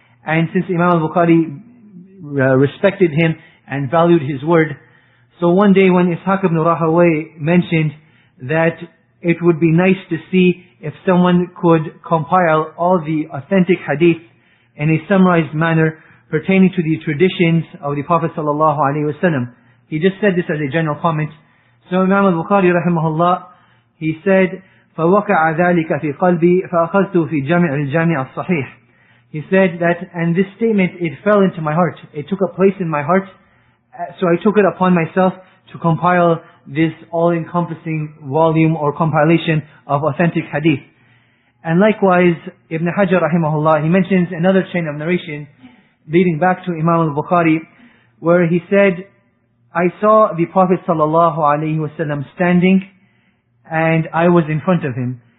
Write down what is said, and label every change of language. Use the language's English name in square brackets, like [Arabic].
[English] And since Imam al-Bukhari respected him and valued his word, so one day when Ishaq ibn Rahaway mentioned that it would be nice to see if someone could compile all the authentic hadith in a summarized manner pertaining to the traditions of the Prophet sallallahu alaihi wasallam, he just said this as a general comment. So Imam al-Bukhari rahimahullah, he said, [Arabic] فَوَقَعَ ذَلِكَ فِي قَلْبِي فَأَخَذْتُ فِي جَمِعِ الْجَامِعِ الصَّحِيحِ. [English] He said that, and this statement, it fell into my heart. It took a place in my heart. So I took it upon myself to compile this all-encompassing volume or compilation of authentic hadith. And likewise, Ibn Hajar rahimahullah, he mentions another chain of narration leading back to Imam al-Bukhari, where he said, I saw the Prophet sallallahu alayhi wasallam standing, and I was in front of him.